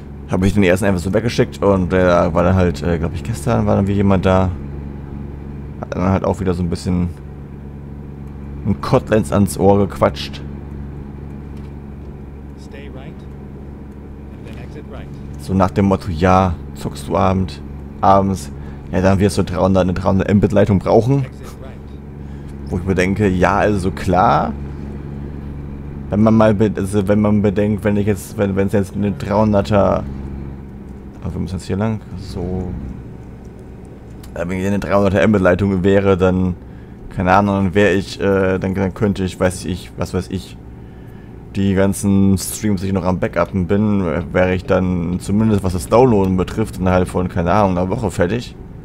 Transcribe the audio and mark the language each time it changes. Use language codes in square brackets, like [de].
[de] Habe ich den ersten einfach so weggeschickt und der war dann halt, glaube ich, gestern war dann wie jemand da. Hat dann halt auch wieder so ein bisschen ein Kotlens ans Ohr gequatscht. [en] Stay right, and then exit right. [de] So nach dem Motto, ja, zockst du abends, ja, dann wirst du 300, eine 300 Mbit-Leitung brauchen. Right. Wo ich bedenke, ja, also klar. Wenn man mal, also wenn man bedenkt, wenn ich jetzt, wenn es jetzt eine 300er, aber wir müssen jetzt hier lang, so, wenn hier eine 300er Mbit-Leitung wäre, dann, keine Ahnung, dann wäre ich, dann könnte ich, weiß ich, die ganzen Streams, die ich noch am Backuppen bin, wäre ich dann zumindest, was das Downloaden betrifft, innerhalb von, keine Ahnung, einer Woche fertig.